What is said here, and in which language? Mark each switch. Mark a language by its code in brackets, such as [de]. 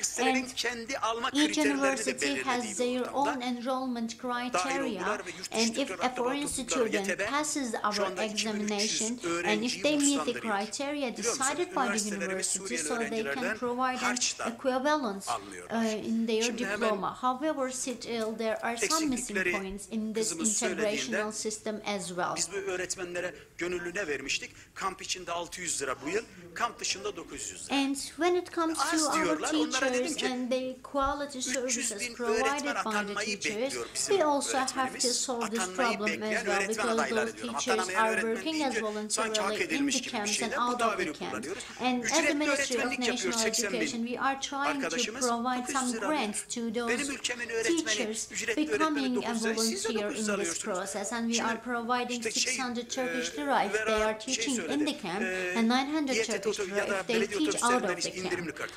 [en] And each university has their own enrollment criteria, and if a foreign student passes our examination, and if they meet the criteria decided by the university, so they can provide an equivalent in their diploma. However, still there are some missing points in this integrational system as well. [tr] Biz bu öğretmenlere gönüllüne vermiştik. Kamp içinde 600 lira bu yıl, kamp dışında 900 lira. [en] And when it comes to our teachers and the quality services provided by the teachers, we also have to solve this problem as well because those teachers are working as voluntarily in the camps and out of the camp. And as the Ministry of National Education, we are trying to provide some grants to those teachers becoming a volunteer in this process, and we are providing 600 Turkish lira if they are teaching in the camp and 900 Turkish lira if they teach out of the camp.